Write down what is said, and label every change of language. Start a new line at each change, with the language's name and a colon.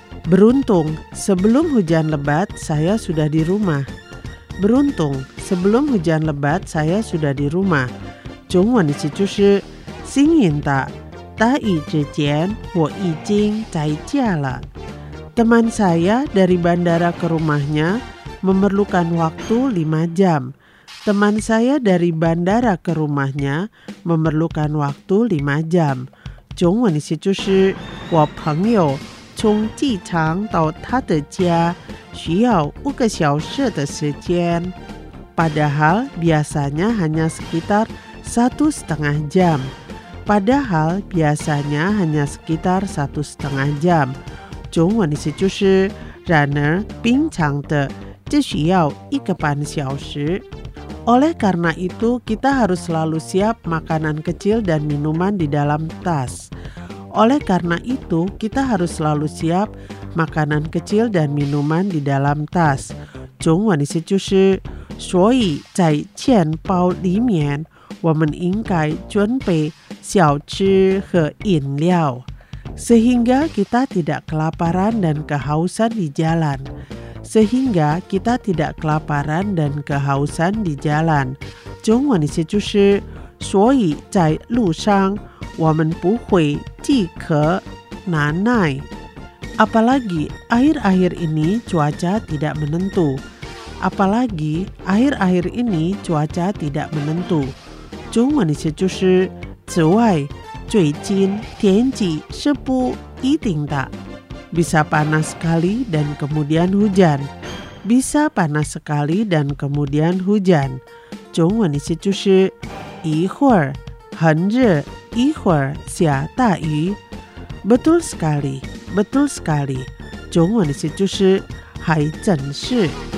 Indonesian: Beruntung， sebelum hujan lebat saya sudah di rumah。 Beruntung, sebelum hujan lebat saya sudah di rumah。
Chinese: 中文意思就是幸运的，大雨之前我已经在家了。
Indonesian: Teman saya dari bandara ke rumahnya memerlukan waktu 5 jam。 Teman saya dari bandara ke rumahnya memerlukan waktu 5 jam。
Chinese: 中文意思就是我朋友从机场到他的家需要五个小时的时间。
Indonesian: Padahal biasanya hanya sekitar 1.5 jam. Padahal biasanya hanya sekitar 1.5 jam.
Chinese: 中文的意思就是，然而平常的只需要一个半小时。
Indonesian: Oleh karena itu, kita harus selalu siap makanan kecil dan minuman di dalam tas. Oleh karena itu, kita harus selalu siap makanan kecil dan minuman di dalam tas.
Chinese: 中文的意思就是，所以在钱包里面，我们应该准备小吃和饮料，
Indonesian: sehingga kita tidak kelaparan dan kehausan di jalan. Sehingga kita tidak kelaparan dan kehausan di jalan.
Chinese: 中文的意思就是，所以在路上，我们不会饥渴难耐。
Indonesian: Apalagi akhir-akhir ini cuaca tidak menentu. Apalagi akhir-akhir ini cuaca tidak menentu.
Chinese: 中文的意思就是，此外最近天气是不一定的。
Indonesian: Bisa panas sekali dan kemudian hujan. Bisa panas sekali dan kemudian hujan.
Chinese: 中文的意思就是，一会儿很热，一会儿下大雨。
Indonesian: Betul sekali, betul sekali.
Chinese: 中文的意思就是，还真是。